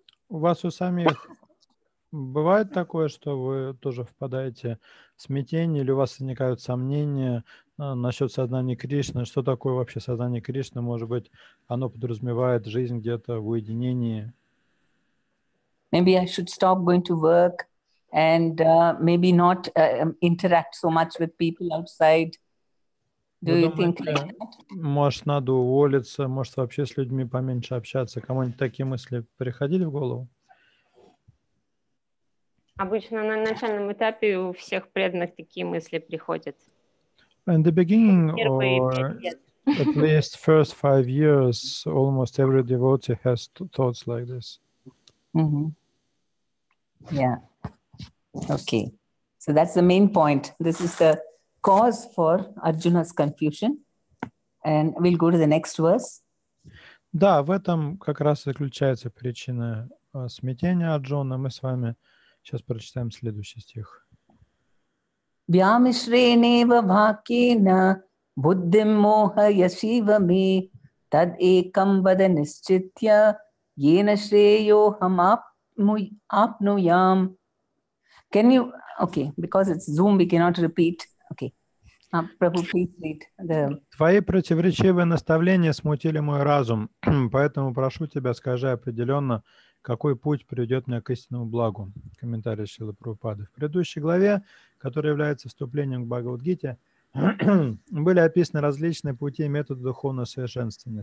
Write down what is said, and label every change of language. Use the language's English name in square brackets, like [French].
[Russian] У вас у самих бывает такое, что вы тоже впадаете в смятение, или у вас возникают сомнения насчет сознания Кришны? Что такое вообще сознание Кришны? Может быть, оно подразумевает жизнь где-то в уединении? [English] Maybe I should stop going to work and maybe not interact so much with people outside. Do you think like that? [Russian] Может, надо уволиться, может, вообще с людьми поменьше общаться. Кому-нибудь такие мысли приходили в голову? Обычно на начальном этапе у всех преданных такие мысли приходят. [English] In the beginning, or at least first 5 years, almost every devotee has thoughts like this. Mm-hmm. Yeah. Okay. So that's the main point. This is the cause for Arjuna's confusion. And we'll go to the next verse. [Russian] Да, в этом как раз заключается причина смятения Арджуны. Мы с вами сейчас прочитаем следующий стих. [Sanskrit] Вьямишренева бхакина буддим мохаяшивами тад экам вада нисчитья ена шрейо хам апнуям. [English] Can you, okay, because it's Zoom, we cannot repeat. Okay. Prabhu, please read the... [Russian] Твои противоречивые наставления смутили мой разум, поэтому прошу тебя, скажи определенно, какой путь приведет меня к истинному благу. Комментарий Шрилы Прабхупады. В предыдущей главе, которая является вступлением к Бхагавадгите, были описаны различные пути и методы духовного совершенствования.